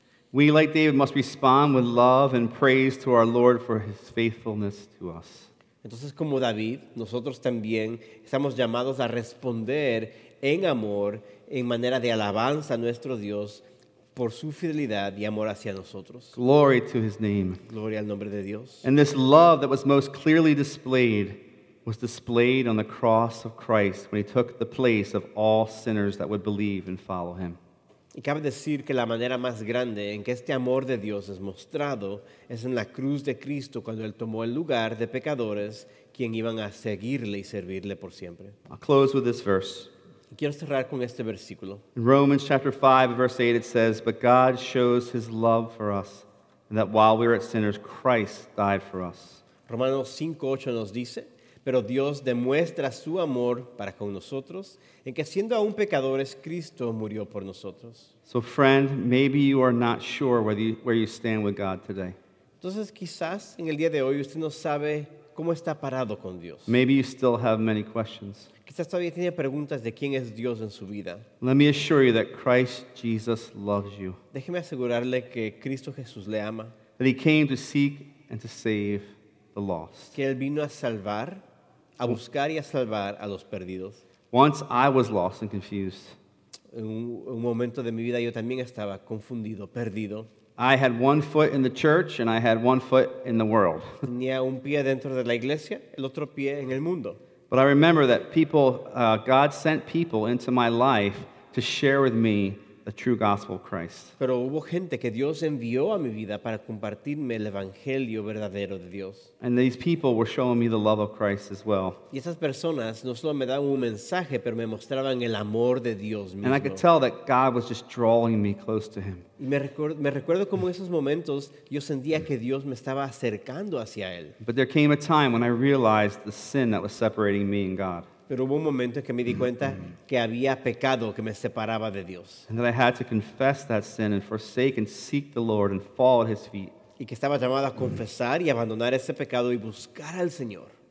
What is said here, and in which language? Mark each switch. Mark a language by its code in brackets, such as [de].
[en] We, like David, must respond with love and praise to our Lord for his faithfulness to us. [es] Entonces, como David, nosotros también estamos llamados a responder en amor, en manera de alabanza a nuestro Dios por su fidelidad y amor hacia nosotros. [en] Glory to his name. [es] Gloria al nombre de Dios. [en] And this love that was most clearly displayed was displayed on the cross of Christ when he took the place of all sinners that would believe and follow him. [es] Y cabe decir que la manera más grande en que este amor de Dios es mostrado es en la cruz de Cristo cuando Él tomó el lugar de pecadores quien iban a seguirle y servirle por siempre. [en] I'll close with this verse. [es] Y quiero cerrar con este versículo. [en] In Romans chapter 5, verse 8, it says, "But God shows His love for us, and that while we were sinners, Christ died for us." [es] Romanos 5:8 nos dice, "Pero Dios demuestra su amor para con nosotros, en que siendo aún pecadores, Cristo murió por nosotros." [en] So friend, maybe you are not sure where you stand with God today. [es] Entonces quizás en el día de hoy usted no sabe cómo está parado con Dios. [en] Maybe you still have many questions. [es] Quizás todavía tiene preguntas de quién es Dios en su vida. [en] Let me assure you that Christ Jesus loves you. [es] Déjeme asegurarle que Cristo Jesús le ama. [en] That he came to seek and to save the lost. [es] Que él vino a salvar, a buscar y a salvar a los perdidos. [en] Once I was lost and confused. [es] En un momento de mi vida yo también estaba confundido, perdido. [en] I had one foot in the church and I had one foot in the world. [es] Tenía un pie dentro de la iglesia, el otro pie en el mundo. [en] But I remember that God sent people into my life to share with me the true gospel of Christ. [es] Pero hubo gente que Dios envió a mi vida para compartirme el evangelio verdadero de Dios. [en] And these people were showing me the love of Christ as well. [es] Y esas personas no solo me daban un mensaje, pero me mostraban el amor de Dios mismo. [en] And I could tell that God was just drawing me close to him. [es] Y me recuerdo como en esos momentos yo sentía que Dios me estaba acercando hacia él. [en] But there came a time when I realized the sin that was separating me and God. [es] Pero hubo un momento en que me di cuenta que había pecado que me separaba de Dios. [en] And that I had to confess that sin and forsake and seek the Lord and fall at his feet. [es] Y que estaba llamado a confesar y abandonar ese pecado y buscar al Señor.